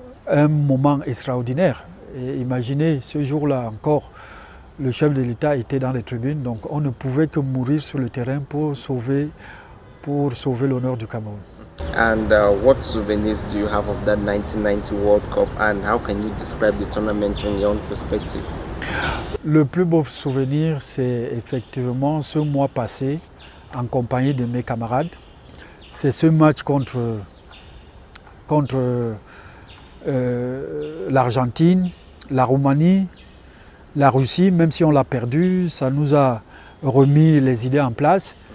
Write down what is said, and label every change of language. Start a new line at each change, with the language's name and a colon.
French: Un moment extraordinaire. Et imaginez, ce jour-là encore, le chef de l'État était dans les tribunes, donc on ne pouvait que mourir sur le terrain pour sauver l'honneur du Cameroun.
English: And what souvenirs do you have of that 1990 World Cup, and how can you describe the tournament in your own perspective?
French: Le plus beau souvenir, c'est effectivement ce mois passé en compagnie de mes camarades. C'est ce match contre l'Argentine, la Roumanie, la Russie, même si on l'a perdu, ça nous a remis les idées en place.